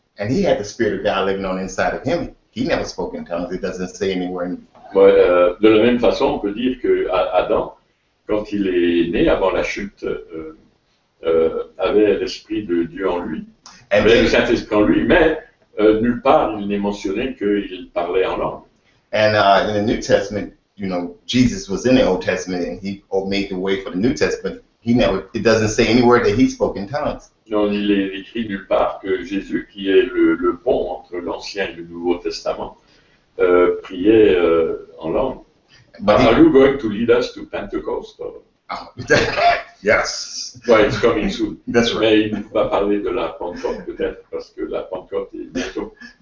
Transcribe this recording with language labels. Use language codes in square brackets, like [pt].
[en] And he had the Spirit of God living on inside of him. He never spoke in tongues. It doesn't say anywhere in the Bible. [fr] Ouais, de la même façon, on peut dire que Adam, quand il est né avant la chute, avait l'Esprit de Dieu en lui. And avait le Saint-Esprit en lui, mais nulle part il n'est mentionné qu'il parlait en langue. [en] And in the New Testament, you know, Jesus was in the Old Testament and he made the way for the New Testament. It doesn't say anywhere that he spoke in tongues. [fr] Non, il est écrit nulle part que Jésus, qui est le pont entre l'Ancien et le Nouveau Testament, priait en langue. [en] But are you going to lead us to Pentecost? Yes. Well, it's coming soon. That's right. [fr] Mais il va parler de la Pentecôte peut-être, parce que la Pentecôte est bientôt.